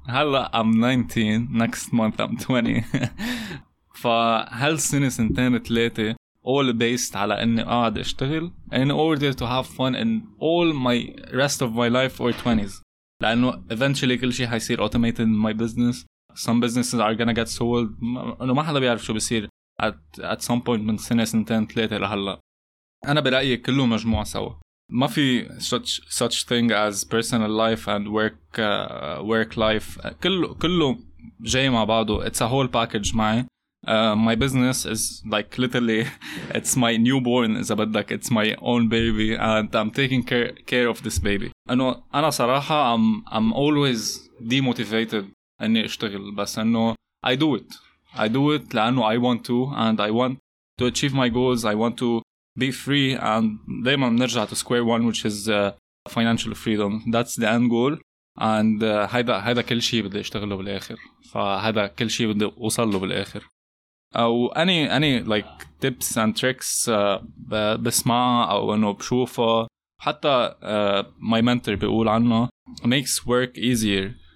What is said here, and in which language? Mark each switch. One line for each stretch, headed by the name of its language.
English: هلا I'm 19. Next month I'm 20.
Arabic: فهالسنة سنتين ثلاثة
English: all based
Arabic: على اني قاعد اشتغل
English: in order to have fun in all my rest of my life or 20s. لانه eventually
Arabic: كل شيء حيصير
English: automated in my business. Some businesses are gonna get sold.
Arabic: انه ما حدا بيعرف شو بيصير
English: at some point
Arabic: من سنة سنتين ثلاثة لهلا. انا برأيي كله مجموعة سوا. ما في
English: such thing as personal life and work life.
Arabic: كله جاي مع بعضه.
English: It's a whole package
Arabic: معي.
English: My business is like literally it's my newborn,
Arabic: إذا بدك.
English: It's my own baby and I'm taking care of this baby. أنا صراحة I'm always demotivated
Arabic: أني أشتغل,
English: بس أنه I do it لأنه I want to, and I want to achieve my goals. I want to be free, and
Arabic: دايما نرجع
English: to square one, which is financial freedom. That's the end goal, and
Arabic: هذا كل شيء بدي أشتغله بالآخر. فهذا كل شيء بدي أوصله بالآخر.
English: أو any like tips and tricks
Arabic: بسمع أو إنه بشوفه, حتى
English: my mentor
Arabic: بيقول عنه
English: makes work easier.